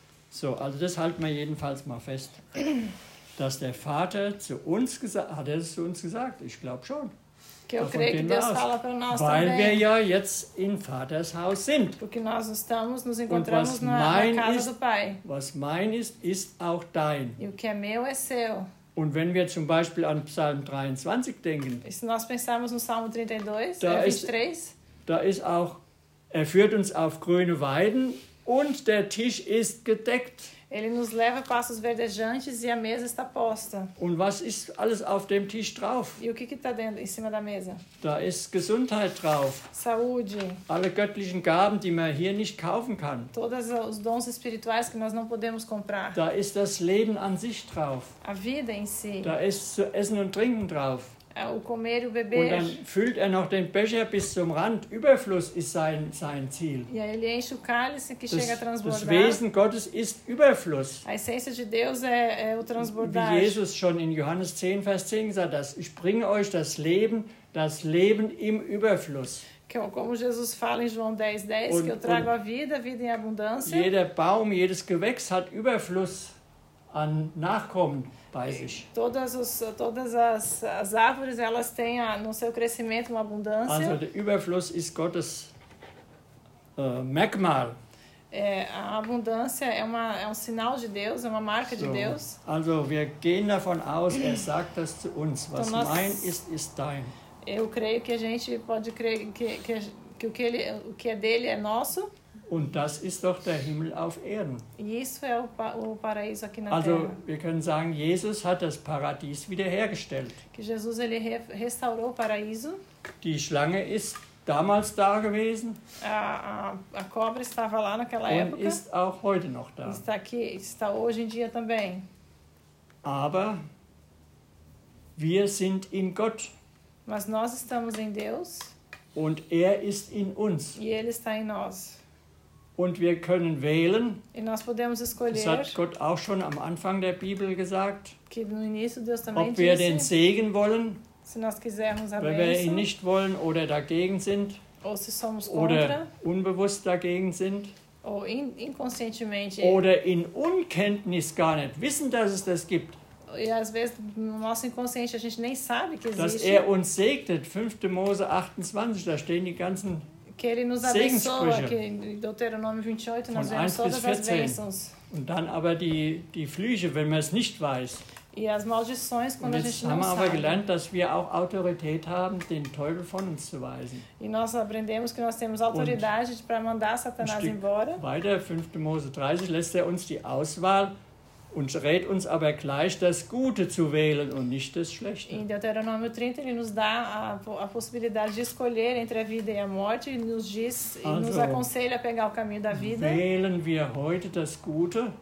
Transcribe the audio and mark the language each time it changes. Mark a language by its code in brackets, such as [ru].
[de] So, also das halten wir jedenfalls mal fest, dass der Vater zu uns gesagt hat, er es zu uns gesagt, ich glaube schon. [pt] Que eu creio que Deus fala para nós também. [de] Weil wir ja jetzt in Vaters Haus sind. [pt] Porque nós estamos, nos encontramos na casa [de] ist, [pt] do Pai. [de] Was mein ist, ist auch dein. [pt] E o que é meu é seu. [de] Und wenn wir zum Beispiel an Psalm 23 denken, [pt] e se nós pensarmos no Salmo 23, [de] da ist auch, er führt uns auf grüne Weiden, und der Tisch ist gedeckt. [pt] Ele nos leva passos verdejantes e a mesa está posta. [de] Und was ist alles auf dem Tisch drauf? [pt] E o que está dentro, em cima da mesa? [de] Da ist Gesundheit drauf. [pt] Saúde. [de] Alle göttlichen Gaben, die man hier nicht kaufen kann. [pt] Todos os dons espirituais que nós não podemos comprar. [de] Da ist das Leben an sich drauf. [pt] A vida em si. [de] Da ist zu essen und trinken drauf. [pt] O comer, o beber. [de] Und dann füllt er noch den Becher bis zum Rand. Überfluss ist sein Ziel. [pt] E ele enche o cálice que chega a transbordar. [de] Das Wesen Gottes ist Überfluss. [pt] A essência de Deus é o transbordar. [de] Wie Jesus schon in Johannes 10, Vers 10 gesagt hat, ich bringe euch das Leben im Überfluss. [pt] Como Jesus fala em João 10, 10, [de] und, [pt] que eu trago a vida, vida em abundância. [de] Jeder Baum, jedes Gewächs hat Überfluss an Nachkommen. [pt] Todas as árvores elas têm no seu crescimento uma abundância. [de] Also, der Überfluss ist Gottes Merkmal. [pt] A abundância é um sinal de Deus, é uma marca [de] so, [pt] de Deus. [de] Also, wir gehen davon aus, er sagt das zu uns, was [pt] então, nós, [de] mein ist, ist dein. [pt] Eu creio que a gente pode crer que o que é dele é nosso. [de] Und das ist doch der Himmel auf Erden. [pt] Isso é o paraíso aqui na Terra. [de] Also, wir können sagen, Jesus hat das Paradies wiederhergestellt. [pt] Que Jesus ele restaurou o paraíso. [de] Die Schlange ist damals da gewesen. [pt] A cobra estava lá naquela [de] und [pt] época. [de] Und ist auch heute noch da. [pt] Está aqui, está hoje em dia também. [de] Aber wir sind in Gott. [pt] Mas nós estamos em Deus. [de] Und er ist in uns. [pt] E ele está em nós. [de] Und wir können wählen. [pt] E nós podemos escolher, [de] das hat Gott auch schon am Anfang der Bibel gesagt. [pt] Que no início Deus também [de] ob wir den Segen wollen. [pt] Se nós quisermos a bênção, [de] wenn wir ihn nicht wollen oder dagegen sind. [pt] Ou se somos contra, [de] oder unbewusst dagegen sind. [pt] Ou inconscientemente. [de] Oder in Unkenntnis gar nicht wissen, dass es das gibt. [pt] E às vezes no nosso inconsciente a gente nem sabe que existe. [de] Dass er uns segnet. 5. Mose 28, da stehen die ganzen. [pt] Que ele nos abençoa, que em Deuteronômio 28 nós [de] von [pt] vemos todas as bênçãos. [de] Und dann aber die Flüche, wenn man es nicht weiß. [pt] E as maldições quando a gente não sabe. [de] Haben wir gelernt, dass wir auch Autorität haben, den Teufel von uns zu weisen. [pt] E nós aprendemos que nós temos autoridade para mandar Satanás [de] um Stück [pt] embora. [de] Weiter, 5. Mose 30 lässt er uns die Auswahl und rät uns aber gleich, das Gute zu wählen und nicht das Schlechte. [pt] In Deuteronômio 30 ele nos dá a possibilidade de escolher entre a vida e a morte e nos diz [de] also, [pt] e nos aconselha a pegar o caminho da vida. [de] Wählen wir heute das Gute.